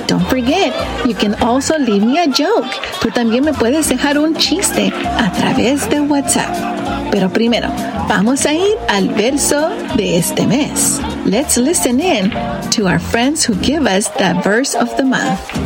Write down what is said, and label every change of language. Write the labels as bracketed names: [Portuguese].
[English] Don't forget, you can also leave me a joke. [Spanish] Tú también me puedes dejar un chiste a través de WhatsApp. Pero primero, vamos a ir al verso de este mes. [English] Let's listen in to our friends who give us the verse of the month.